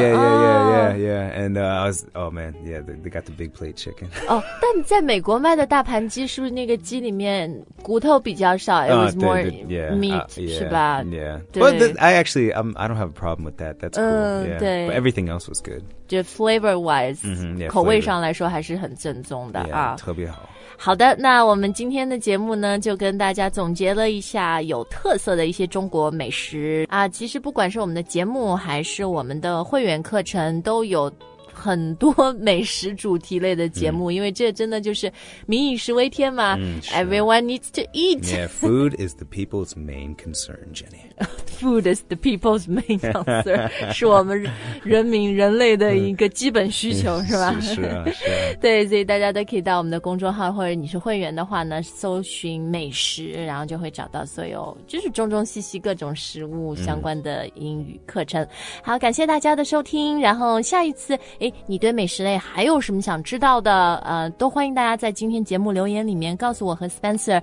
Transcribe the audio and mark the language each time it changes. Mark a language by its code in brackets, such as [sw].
[en] Yeah. And I was, oh man, yeah, they got the Big Play Chicken. [zh] 但在美国卖的大盘鸡是不是那个鸡里面骨头比较少 [en] It was more meat, [zh] 是吧 [en] Yeah. But I don't have a problem with that. That's cool. Yeah. But everything else was good. [zh] 就 [en] flavor wise,、 yeah, [zh] 口味上来说还是很正宗的 [en] yeah, [zh] 啊，特别好。好的，那我们今天的节目呢，就跟大家总结了一下有特色的一些中国美食啊。其实不管是我们的节目，还是我们的会员课程，都有。很多美食主题类的节目、嗯、因为这真的就是民以食为天嘛、嗯、 [en] Everyone needs to eat. Yeah, food is the people's main concern, Jenny. Food is the people's main concern. [zh] 是我们人民人类的一个基本需求是吧是啊是啊对所以大家都可以到我们的公众号或者你是会员的话呢搜寻美食然后就会找到所有就是中中西西各种食物相关的英语课程、嗯、好感谢大家的收听然后下一次诶你对美食类还有什么想知道的都欢迎大家在今天节目留言里面告诉我和 Spencer、